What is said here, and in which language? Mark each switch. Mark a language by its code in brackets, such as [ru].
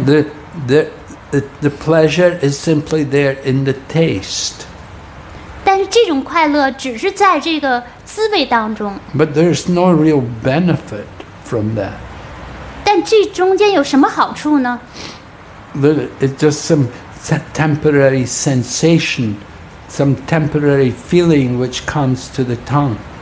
[en] the pleasure is simply there in the taste. [zh] 但是这种快乐只是在这个滋味当中。 [en] But there's no real benefit from that. [zh] 但这中间有什么好处呢？ [en] It's just some temporary sensation, some temporary feeling which comes to the tongue.